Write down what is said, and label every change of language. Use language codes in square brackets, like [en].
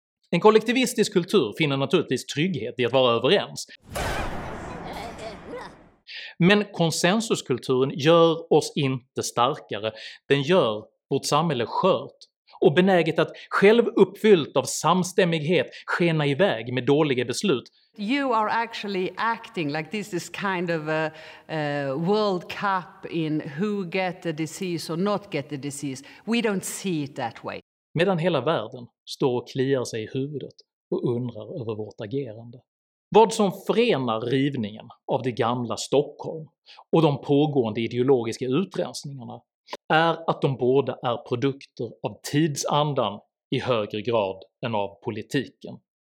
[sv] En kollektivistisk kultur finner naturligtvis trygghet i att vara överens, men konsensuskulturen gör oss inte starkare, den gör vårt samhälle skört och benäget att själv uppfyllt av samstämmighet skena iväg med dåliga beslut. [en] You are actually acting like this is kind of a World Cup in who get the disease or not get the disease. We don't see it that way. [sv] Medan hela världen står och kliar sig i huvudet och undrar över vårt agerande. Vad som förenar rivningen av det gamla Stockholm och de pågående ideologiska utrensningarna är att de båda är produkter av tidsandan i högre grad än av politiken.